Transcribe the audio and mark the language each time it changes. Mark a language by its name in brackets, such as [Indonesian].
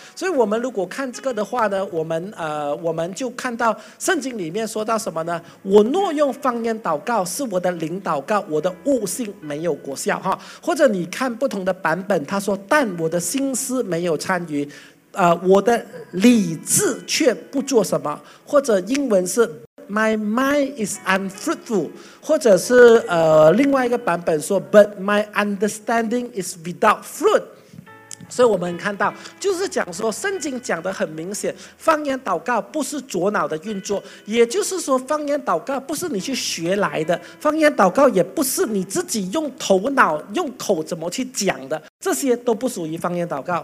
[Chinese] 所以我们如果看这个的话呢，我们就看到圣经里面说到什么呢？我若用方言祷告，是我的灵祷告，我的悟性没有果效哈。或者你看不同的版本，他说但我的心思没有参与，我的理智却不做什么。或者英文是 [English] My mind is unfruitful， [Chinese] 或者是另外一个版本说 [English] ，But my understanding is without fruit。 [Chinese] 所以我们看到就是讲说圣经讲得很明显，方言祷告不是左脑的运作，也就是说方言祷告不是你去学来的，方言祷告也不是你自己用头脑用口怎么去讲的，这些都不属于方言祷告。